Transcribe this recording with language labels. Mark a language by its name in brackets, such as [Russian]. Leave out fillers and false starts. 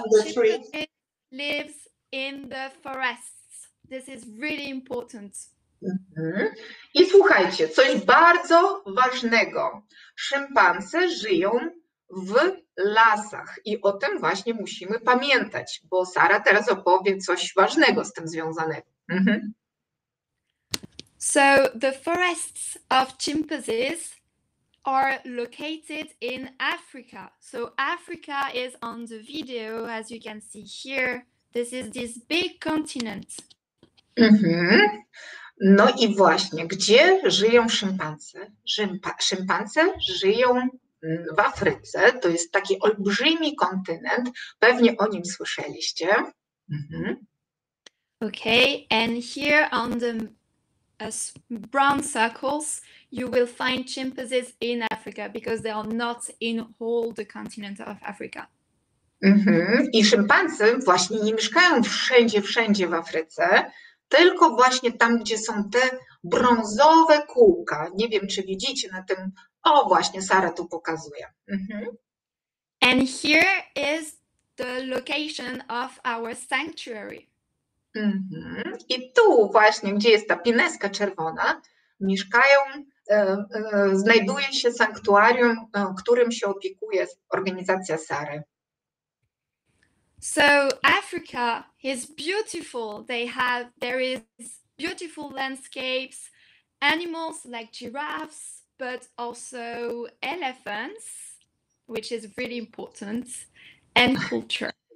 [English] Chimpanzees lives in the forests. This is really important. [Polish] I słuchajcie, coś bardzo ważnego. Szympanse żyją w lasach i o tym właśnie musimy pamiętać, bo Sara teraz opowie coś ważnego z tym związanego. [English] So the forests of chimpanzees are located in Africa. So Africa is on the video, as you can see here. This is this big continent. [Polish] No i właśnie, gdzie żyją szympanse? Szympanse żyją w Afryce. To jest taki olbrzymi kontynent. Pewnie o nim słyszeliście. [English] Okay, and here on the as brown circles, you will find chimpanzees in Africa because they are not in all the continent of Africa. [Polish] I szympansy właśnie nie mieszkają wszędzie w Afryce, Tylko właśnie tam, gdzie są te brązowe kółka. Nie wiem, czy widzicie na tym. O, właśnie Sara tu pokazuje. [English] And here is the location of our sanctuary. [Polish] I tu właśnie, gdzie jest ta pineska czerwona, mieszkają, znajduje się sanktuarium, którym się opiekuje organizacja Sary. [English] So Africa is beautiful. There is beautiful landscapes, animals like giraffes, but also elephants, which is really important, and culture.